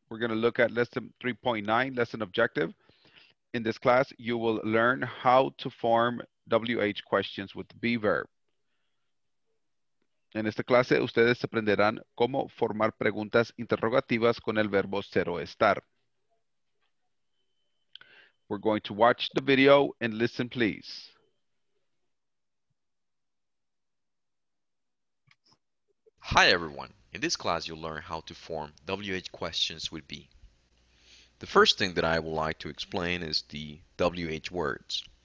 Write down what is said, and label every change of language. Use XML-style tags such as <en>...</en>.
<en>We're going to look at lesson 3.9, lesson objective. In this class, you will learn how to form WH questions with the be verb.</en> <es>En esta clase, ustedes aprenderán cómo formar preguntas interrogativas con el verbo cero estar.</es> <en>We're going to watch the video and listen, please. Hi, everyone. In this class, you'll learn how to form WH questions with be. The first thing that I would like to explain is the WH words.</en>